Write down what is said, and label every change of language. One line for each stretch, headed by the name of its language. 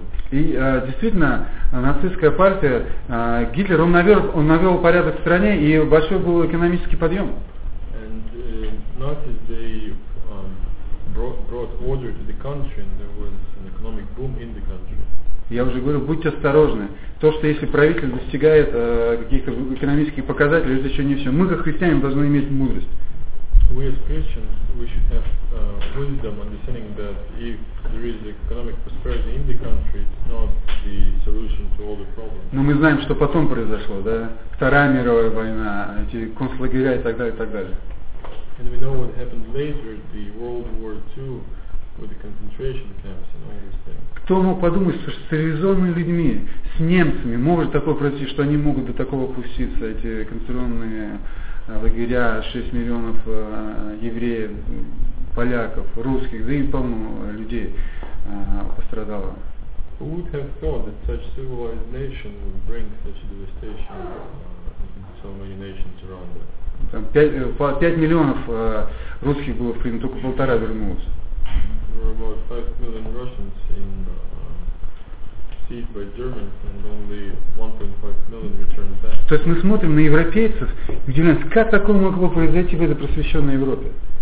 Russian: И действительно, нацистская партия, Гитлер, он навел порядок в стране, и большой был экономический подъем.
English: And Nazis, they brought order to the country, and there was an economic boom in the country.
Russian: Я уже говорю, будьте осторожны. То, что если правитель достигает каких-то экономических показателей, это еще не все. Мы, как христиане, должны иметь мудрость.
English: We as Christians, we should have wisdom, understanding that if there is economic prosperity in the country, it's not the solution to all the problems.
Russian: Но мы знаем, что потом произошло, да? Вторая мировая война, эти концлагеря и так далее, и так далее.
English: And we know what happened later, the World War II, with the concentration camps and all these things.
Russian: Кто мог подумать, что с цивилизованными людьми, с немцами, может такое произойти, что они могут до такого опуститься, эти концентрационные лагеря, 6 миллионов евреев, поляков, русских, да и полно людей пострадало.
English: Who would have thought that such civilized nation would bring such a devastation to so many nations around it?
Russian: Там 5 миллионов русских было в Крыму, только полтора вернулось.
English: There were about 5 million Russians in received by Germans and only 1.5 million returned back.
Russian: То есть мы смотрим на европейцев, где у нас как такое могло произойти в этой просвещенной Европе?